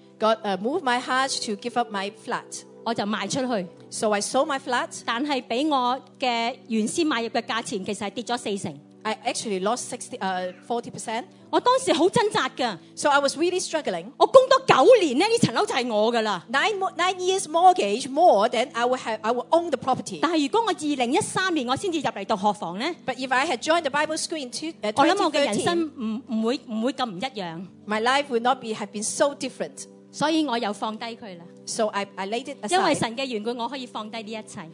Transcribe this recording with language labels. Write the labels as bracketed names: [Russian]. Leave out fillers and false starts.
[English] God moved my heart to give up my flat [Chinese] 我就卖出去 [English] So I sold my flat [Chinese] 但是比我的原先买入的价钱其实是跌了四成 [English] I actually lost 40% [Chinese] 我当时很挣扎的 [English] So I was really struggling [Chinese] 我供多九年呢这层楼就是我的了 [English] nine years mortgage more than I would own the property [Chinese] 但是如果我2013年我才入来读学房呢 [English] But if I had joined the Bible school in 2013 [Chinese] 我想我的人生不会这么不一样 [English] My life would not have been so different. So I laid it aside. [Chinese] 因为神的缘故，我可以放低这一切。